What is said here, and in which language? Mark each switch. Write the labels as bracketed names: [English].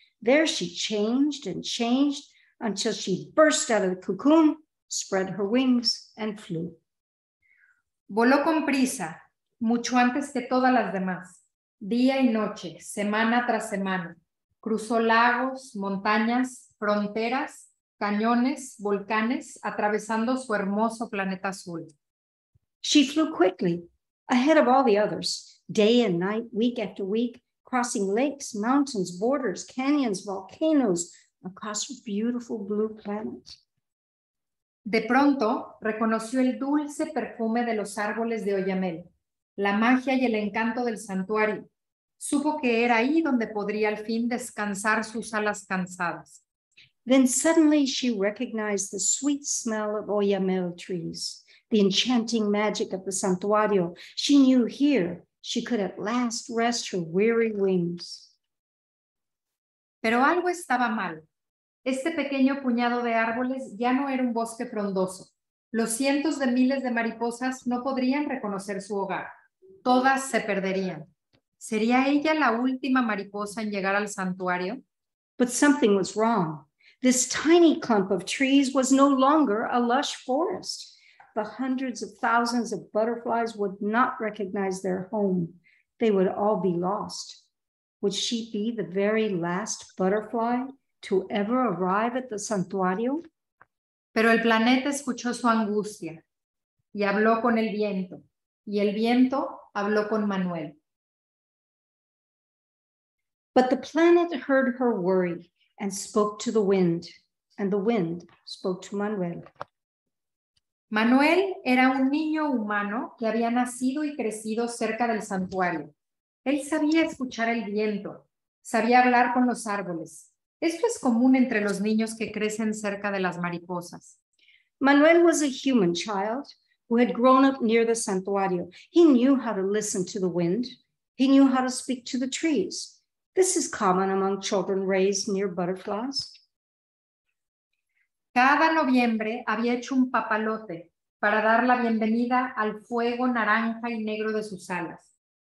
[English] There she changed and changed until she burst out of the cocoon, spread her wings, and flew. [Spanish] Voló con prisa, mucho antes que todas las demás, día y noche, semana tras semana. Cruzó lagos, montañas, fronteras, cañones, volcanes, atravesando su hermoso planeta azul. [English] She flew quickly, ahead of all the others, day and night, week after week, crossing lakes, mountains, borders, canyons, volcanoes, across her beautiful blue planet. [Spanish] De pronto, reconoció el dulce perfume de los árboles de Oyamel, la magia y el encanto del santuario. Supo que era ahí donde podría al fin descansar sus alas cansadas. [English] Then suddenly she recognized the sweet smell of Oyamel trees, the enchanting magic of the santuario. She knew here she could at last rest her weary wings. [Spanish] Pero algo estaba mal. Este pequeño puñado de árboles ya no era un bosque frondoso. Los cientos de miles de mariposas no podrían reconocer su hogar. Todas se perderían. ¿Sería ella la última mariposa en llegar al santuario? [English] But something was wrong. This tiny clump of trees was no longer a lush forest. The hundreds of thousands of butterflies would not recognize their home. They would all be lost. Would she be the very last butterfly to ever arrive at the santuario? [Spanish] Pero el planeta escuchó su angustia y habló con el viento, y el viento habló con Manuel. [English] But the planet heard her worry and spoke to the wind, and the wind spoke to Manuel. [Spanish] Manuel era un niño humano que había nacido y crecido cerca del santuario. Él sabía escuchar el viento, sabía hablar con los árboles. Esto es común entre los niños que crecen cerca de las mariposas. [English] Manuel was a human child who had grown up near the santuario. He knew how to listen to the wind. He knew how to speak to the trees. This is common among children raised near butterflies. [Spanish] Cada noviembre había hecho un papalote para dar la bienvenida al fuego naranja y negro de sus alas.